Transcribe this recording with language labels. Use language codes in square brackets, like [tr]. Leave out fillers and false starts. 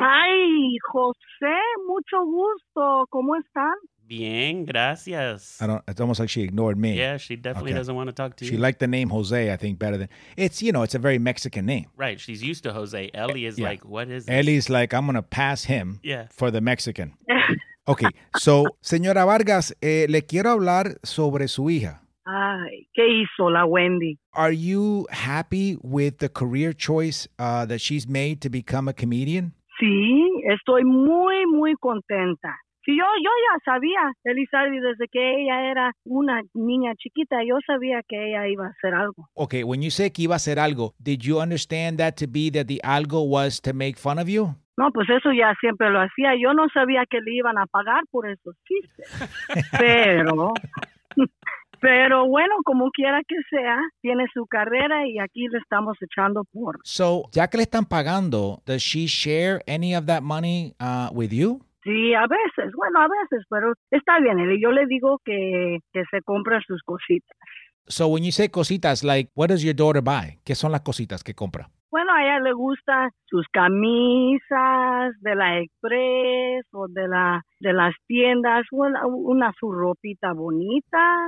[es] Ay, José, mucho gusto. ¿Cómo están? Bien, gracias. [en] It's almost like she ignored me. Yeah, she definitely doesn't want to talk to you. She liked the name Jose, I think, better than... It's a very Mexican name. Right, she's used to Jose. Ellie is like, what is this? Ellie's like, I'm going to pass him for the Mexican. [es] Okay, so, señora Vargas, le quiero hablar sobre su hija. Ay, ¿qué hizo la Wendy? [en] Are you happy with the career choice that she's made to become a comedian? [es] Sí, estoy muy, muy contenta. Sí, yo ya sabía, Elizabeth, desde que ella era una niña chiquita, yo sabía que ella iba a hacer algo. [en] Okay, when you say [es] que iba a hacer algo, [en] did you understand that to be that the algo was to make fun of you? [es] No, pues eso ya siempre lo hacía. Yo no sabía que le iban a pagar por esos chistes. Pero bueno, como quiera que sea, tiene su carrera y aquí le estamos echando por. [en] So, [es] ya que le están pagando, [en] does she share any of that money with you? [es] Sí, a veces. Bueno, a veces, pero está bien. Yo le digo que se compre sus cositas. [en] So, when you say cositas, like, what does your daughter buy? [es] ¿Qué son las cositas que compra? Bueno, a ella le gusta sus camisas de la Express o de las tiendas, una su ropita bonita.